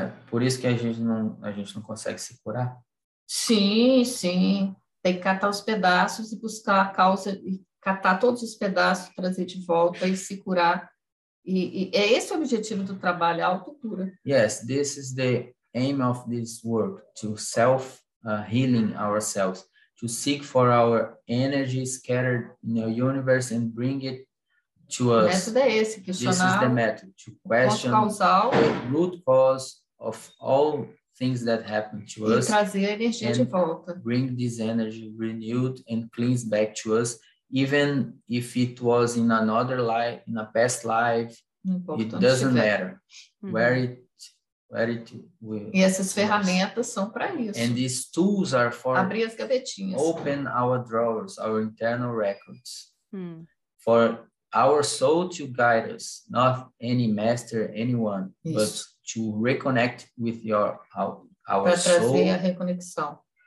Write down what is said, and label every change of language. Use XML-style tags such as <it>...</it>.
<pt>Por isso que a gente não consegue se curar? Sim. Tem que catar os pedaços e buscar a causa, e catar todos os pedaços, trazer de volta e se curar. E é esse o objetivo do trabalho, a autocura.</pt> <en>Yes, this is the aim of this work, to self healing ourselves, to seek for our energy scattered in the universe and bring it to us.</en> <pt>O método é esse, questionar.</pt> <en>This is the method to question the root cause of all things that happen to us.</en> <pt>E trazer a energia de volta.</pt> <en>Bring this energy renewed and cleansed back to us, even if it was in another life, in a past life. It doesn't matter where it will.</en> <pt>E essas ferramentas são para isso.</pt> <en>And these tools are for</en> <pt>abrir as gavetinhas.</pt> <en>Open our drawers, our internal records. For our soul to guide us, not any master, anyone, isso. But to reconnect with our soul.</en> <pt>Para trazer a reconexão.</pt>